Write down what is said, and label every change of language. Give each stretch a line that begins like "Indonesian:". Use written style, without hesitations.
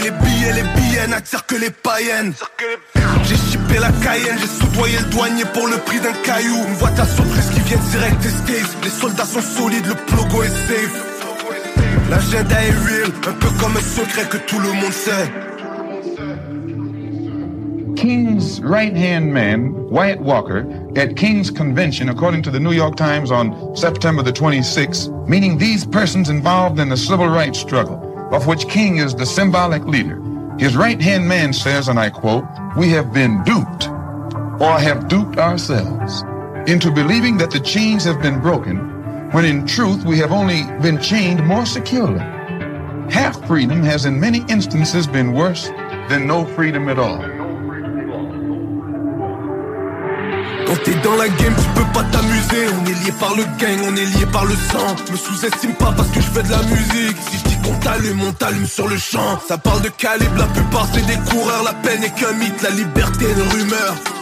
French: Les billets n'attirent que les païennes. J'ai chippé la Cayenne, j'ai soudoyé le douanier pour le prix d'un caillou. Une boîte à surprise qui vient direct escape. Les soldats sont solides, le plogo est safe. L'agenda est real, un peu comme un secret que tout le monde sait.
English: King's right-hand man, Wyatt Walker, at King's convention, according to the New York Times, on September the 26th, meaning these persons involved in the civil rights struggle, of which King is the symbolic leader. His right-hand man says, and I quote, "We have been duped, or have duped ourselves, into believing that the chains have been broken, when in truth we have only been chained more securely. Half freedom has in many instances been worse than no freedom at all."
French: Quand t'es dans la game, tu peux pas t'amuser. On est lié par le gang, on est lié par le sang. Me sous-estime pas parce que je fais de la musique. Si je dis qu'on t'allume, on t'allume sur le champ. Ça parle de calibre, la plupart c'est des coureurs. La peine est qu'un mythe, la liberté une rumeur.